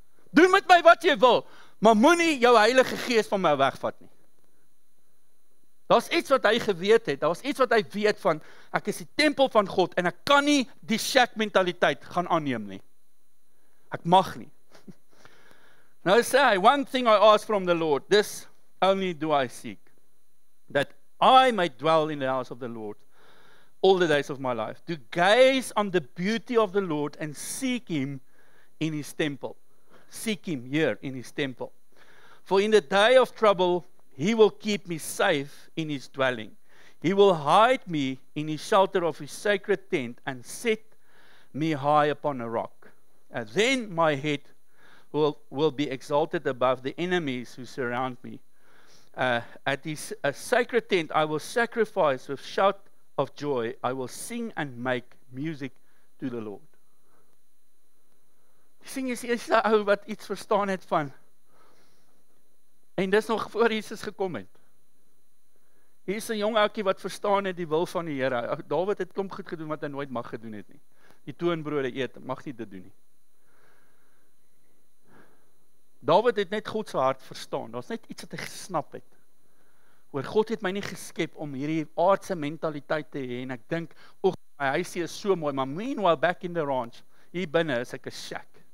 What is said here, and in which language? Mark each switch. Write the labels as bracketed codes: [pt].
[af] Doen met my wat jy wil, maar moenie jou Heilige Gees van my wegvat nie. Daar is iets wat hy geweet het, daar is iets wat hy weet van, ek is die tempel van God, en ek kan nie die shack mentaliteit gaan aanneem nie. Ek mag nie. Nou sê hy, [en] one thing I ask from the Lord, this only do I seek, that I might dwell in the house of the Lord all the days of my life, to gaze on the beauty of the Lord and seek Him in His temple. Seek Him here in His temple. For in the day of trouble, He will keep me safe in His dwelling. He will hide me in His shelter of His sacred tent and set me high upon a rock. And then my head will be exalted above the enemies who surround me. At His sacred tent, I will sacrifice with shout of joy. I will sing and make music to the Lord. [af] Sing is die eerste ou wat iets verstaan het van, en dis nog voor Jesus gekom het. Hier is 'n jong ouetjie wat verstaan het die wil van die Here. David het klomp goed gedoen wat hy nooit mag gedoen het nie. Die toonbrode eet, mag nie dit doen nie. David het net God se hart verstaan. Daar's net iets wat hy gesnap het. Oor God het my nie geskep om hierdie aardse mentaliteit te hê en ek dink, "Ag, my huisie is so mooi, maar [en] meanwhile back in the ranch, [af] hier binne is ek 'n shack."